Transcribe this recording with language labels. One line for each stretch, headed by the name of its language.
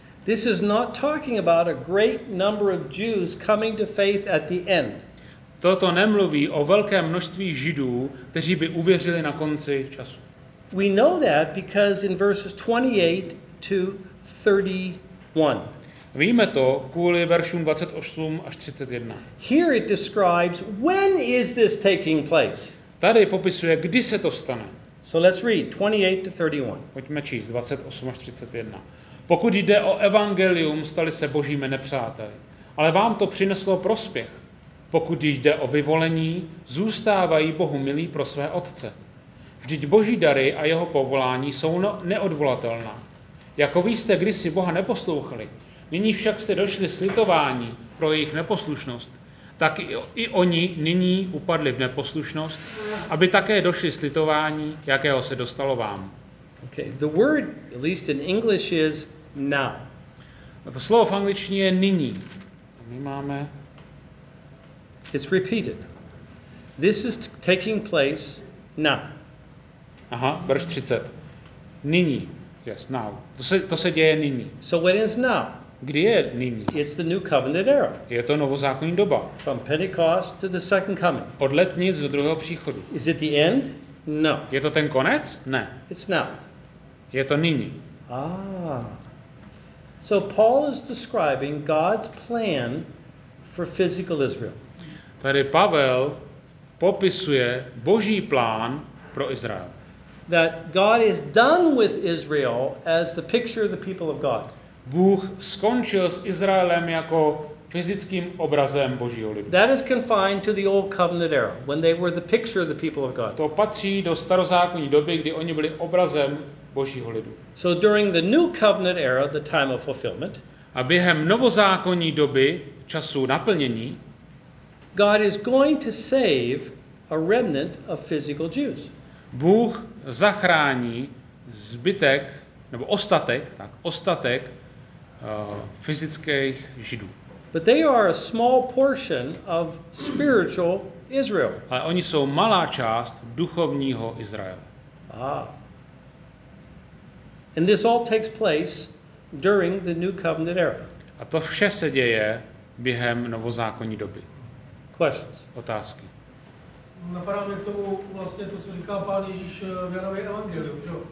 English: This is not talking about a great number of Jews coming to faith at the end.
Czech: Toto nemluví o velkém množství Židů, kteří by uvěřili na konci času.
English: We know that because in verses 28 to 31.
Czech: Víme to kvůli veršům 28 až 31.
English: Here it describes when is this taking place.
Czech: Tady popisuje, kdy se to stane.
English: So let's read 28 to 31.
Czech: Pojďme číst 28 až 31. Pokud jde o evangelium, stali se Božími nepřáteli. Ale vám to přineslo prospěch. Pokud jde o vyvolení, zůstávají Bohu milí pro své otce. Vždyť Boží dary a jeho povolání jsou neodvolatelná. Jako vy jste kdysi Boha neposlouchali, nyní však jste došli slitování pro jejich neposlušnost, tak i oni nyní upadli v neposlušnost, aby také došli slitování, jakého se dostalo vám.
English: Okay, the word, at least in English, is now.
Czech: A to slovo v angličtině je nyní. A my máme...
English: It's repeated. This is taking place now.
Czech: Aha, verš 30. Nyní.
English: Yes, now.
Czech: To se děje nyní.
English: So when is now?
Czech: Kdy je nyní?
English: It's the new covenant era.
Czech: Je to novozákonní doba.
English: From Pentecost to the second coming.
Czech: Od letnic do druhého příchodu.
English: Is it the end? No.
Czech: Je to ten konec? Ne.
English: It's now.
Czech: Je to nyní. Ah.
English: So Paul is describing God's plan for physical Israel.
Czech: Tady Pavel popisuje Boží plán pro Izrael.
English: That God is done with Israel as the picture of the people of God.
Czech: Bůh skončil s Izraelem jako fyzickým obrazem Božího lidu.
English: That is confined to the old covenant era when they were the picture of the people of God.
Czech: To patří do starozákonní doby, kdy oni byli obrazem Božího lidu.
English: So during the new covenant era, the time of fulfillment,
Czech: a během novozákonní doby, času naplnění,
English: God is going to save a remnant of physical Jews.
Czech: Bůh zachrání zbytek nebo ostatek fyzických Židů.
English: But they are a small portion of spiritual Israel.
Czech: Ale oni jsou malá část duchovního Izraele. Ah.
English: And this all takes place during the new covenant era.
Czech: A to vše se děje během novozákonní doby.
English: Questions.
Czech: Otázky. Napadá mi k tomu vlastně to, co říká Pán Ježíš v Janově evangeliu, že?